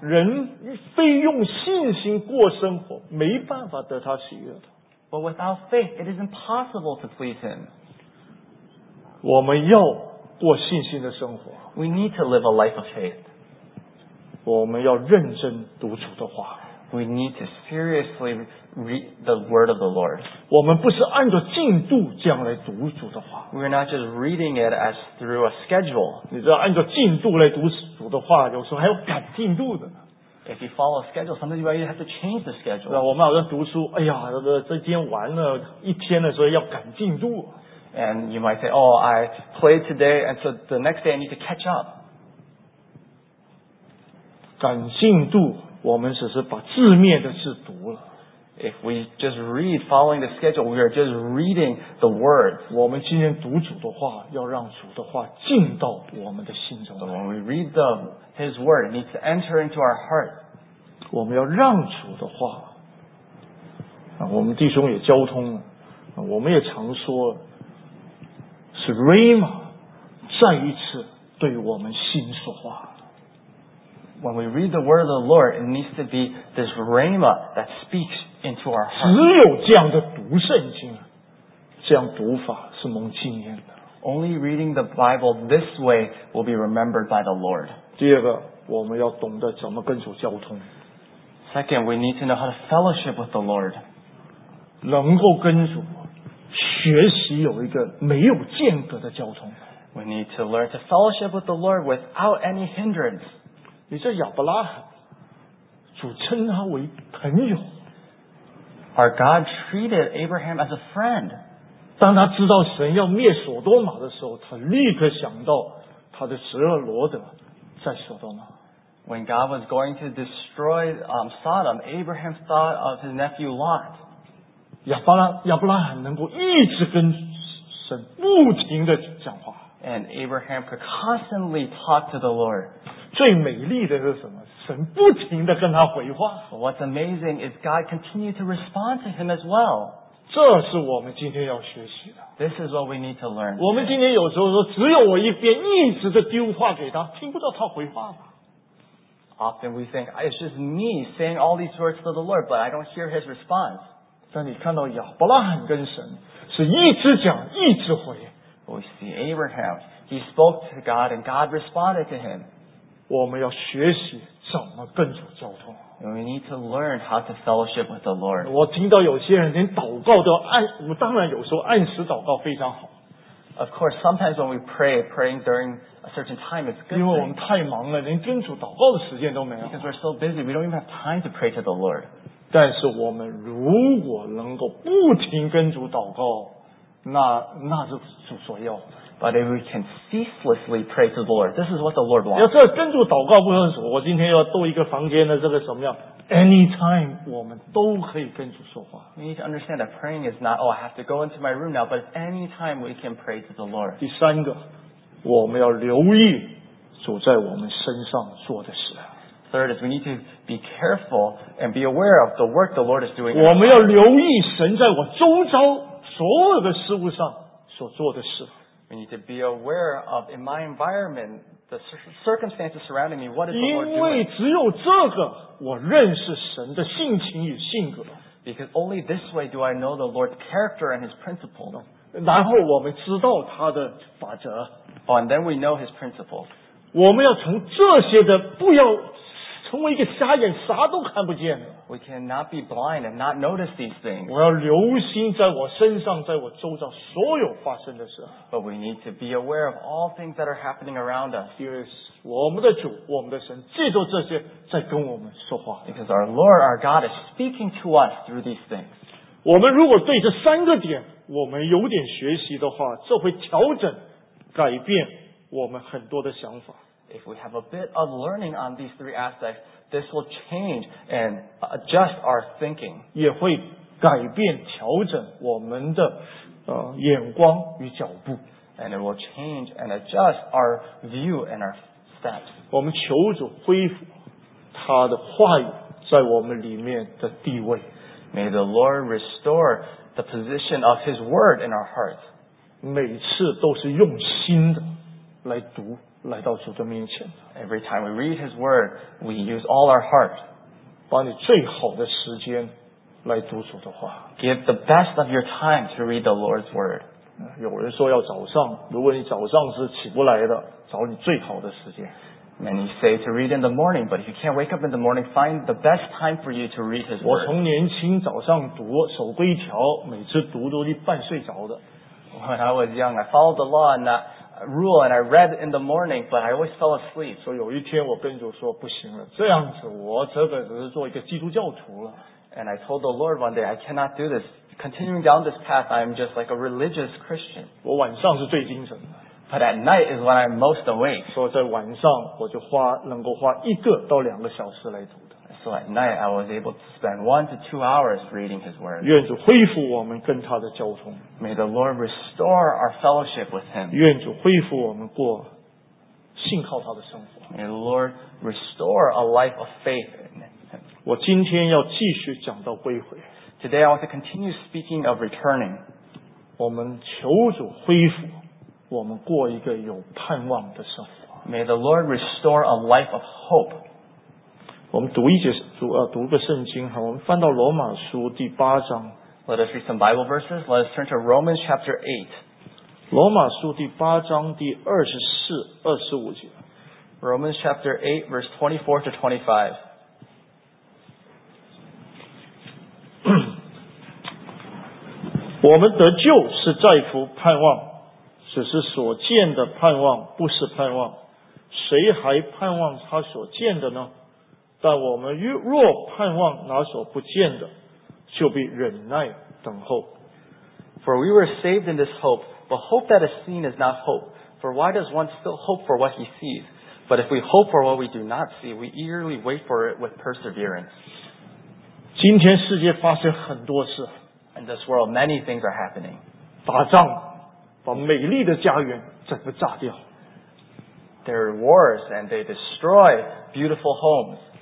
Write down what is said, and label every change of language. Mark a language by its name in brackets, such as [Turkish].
[Chinese] 人非用信心过生活，没办法得他喜悦的。 [English] But without faith, it is impossible to please Him. [Chinese] 我们要过信心的生活。 [English] We need to live a life of faith. [Chinese] 我们要认真读主的话。 [English] We need to seriously read the word of the Lord. [Chinese] 我们不是按照进度这样来读主的话。 [English] We're not just reading it as through a schedule. [Chinese] 你知道按照进度来读主的话，有时候还要赶进度的呢。 [English] If you follow a schedule, sometimes you have to change the schedule. [Chinese] 我们好像读书，哎呀，这天完了一天了，所以要赶进度。 [English] And you might say, oh, I played today, and so the next day I need to catch up. [Chinese] 赶进度。我们只是把字面的字读了。 [English] If we just read following the schedule, we are just reading the words. [Chinese] 我们今天读主的话，要让主的话进到我们的心中。 [English] So when we read His word, it needs to enter into our heart. [Chinese] 我们要让主的话。我们弟兄也交通了，我们也常说，是 Rhema 再一次对我们心说话。 [English] When we read the word of the Lord, it needs to be this rhema that speaks into our heart. [Chinese] 只有这样的读圣经，这样读法是蒙纪念的。 [English] Only reading the Bible this way will be remembered by the Lord. [Chinese] 第二个，我们要懂得怎么跟主交通。 [English] Second, we need to know how to fellowship with the Lord. [Chinese] 能够跟主学习有一个没有间隔的交通。 [English] We need to learn to fellowship with the Lord without any hindrance. You see, [Chinese] Abraham, 主称他为朋友。 [English] Our God treated Abraham as a friend. [Chinese] 当他知道神要灭索多玛的时候，他立刻想到他的侄儿罗德在索多玛。 [English] When God was going to destroy Sodom, Abraham thought of his nephew Lot. [Chinese] 亚伯拉罕能够一直跟神不停地讲话。 [English] And Abraham could constantly talk to the Lord. [Chinese] 最美丽的是什么？神不停地跟他回话。 [English] What's amazing is God continued to respond to him as well. [Chinese] 这是我们今天要学习的。 [English] This is what we need to learn. [Chinese] 我们今天有时候说只有我一边一直地丢话给他，听不到他回话吗？ [English] Often we think, it's just me saying all these words to the Lord, but I don't hear his response. [Chinese] 但你看到亚伯拉罕跟神是一直讲一直回。 [English] We see Abraham, he spoke to God and God responded to him. [Chinese] 我们要学习怎么跟主交通。 [English] We need to learn how to fellowship with the Lord. [Chinese] 我听到有些人连祷告都按，我当然有时候按时祷告非常好。 [English] Of course, sometimes when we pray, praying during a certain time is good. [Chinese] 因为我们太忙了，连跟主祷告的时间都没有。 [English] Because we're so busy, we don't even have time to pray to the Lord. [Chinese] 但是我们如果能够不停跟主祷告，那是主所要的。 [English] But if we can ceaselessly pray to the Lord, this is what the Lord wants. [Chinese] 要这跟主祷告不用说，我今天要多一个房间的这个什么样？ [English] Anytime, [Chinese] 我们都可以跟主说话。 [English] We need to understand that praying is not, oh, I have to go into my room now, but anytime we can pray to the Lord. [Chinese] 第三个，我们要留意主在我们身上做的事。 [English] Third is we need to be careful and be aware of the work the Lord is doing. [Chinese] 我们要留意神在我周遭所有的事物上所做的事。 [English] We need to be aware of in my environment the circumstances surrounding me. What is the Lord doing? [Chinese] 因为只有这个，我认识神的性情与性格。 [English] Because only this way do I know the Lord's character and His principle. [Chinese] 然后我们知道他的法则。 [English] Oh, and then we know His principle. [Chinese] 我们要从这些的，不要成为一个瞎眼，啥都看不见的。 [English] We cannot be blind and not notice these things. [Chinese] 我要留心在我身上，在我周遭所有发生的事。 [English] But we need to be aware of all things that are happening around us. [Chinese] 因为我们的主，我们的神，借助这些在跟我们说话。 [English] Because our Lord, our God, is speaking to us through these things. [Chinese] 我们如果对这三个点，我们有点学习的话，这会调整、改变我们很多的想法。 [English] If we have a bit of learning on these three aspects, this will change and adjust our thinking. [Chinese] 也会改变调整我们的眼光与脚步。 [English] And it will change and adjust our view and our steps. [Chinese] 我们求主恢复他的话语在我们里面的地位。 [English] May the Lord restore the position of his word in our hearts. [Chinese] 每次都是用心的来读。来到主的面前。 [English] Every time we read His word, we use all our heart. [Chinese] 把你最好的时间来读主的话。 [English] Give the best of your time to read the Lord's word. [Chinese] 有人说要早上，如果你早上是起不来的，找你最好的时间。 [English] Many say to read in the morning, but if you can't wake up in the morning, find the best time for you to read His word. [Chinese] 我从年轻早上读，守规条，每次读都是半睡着的。 [English] When I was young, I followed the law and rule and I read in the morning but I always fell asleep. [Chinese] 所以有一天我跟主说不行了，这样子我这个只是做一个基督教徒了。 [English] And I told the Lord one day I cannot do this. Continuing down this path I'm just like a religious Christian. [Chinese] 我晚上是最精神的。 [English] But at night is when I'm most awake. [Chinese] 所以在晚上我就能够花一个到两个小时来读的。 [English] So at night I was able to spend 1 to 2 hours reading his word. [Chinese] 愿主恢复我们跟他的交通。 [English] May the Lord restore our fellowship with Him. [Chinese] 愿主恢复我们过信靠他的生活。 [English] May the Lord restore a life of faith in Him. [Chinese] 我今天要继续讲到归回。 [English] Today I want to continue speaking of returning. [Chinese] 我们求主恢复我们过一个有盼望的生活。 [English] May the Lord restore a life of hope. [Chinese] 我们读一节读个圣经，我们翻到罗马书第八章。 [English] Let us read some Bible verses. Let us turn to Romans chapter 8. [Chinese] 罗马书第八章第24-25节。 [English] Romans chapter 8, verse 24-25. [Chinese] 我们得救是在乎盼望，只是所见的盼望，不是盼望。谁还盼望他所见的呢？但我们若盼望那所不见的，就必忍耐等候。 [English] For we were saved in this hope, but hope that is seen is not hope. For why does one still hope for what he sees? But if we hope for what we do not see, we eagerly wait for it with perseverance. [Chinese] 今天世界发生很多事。 [English] In this world, many things are happening. [Chinese] 打仗，把美丽的家园整个炸掉。 [English] There are wars and they destroy beautiful homes.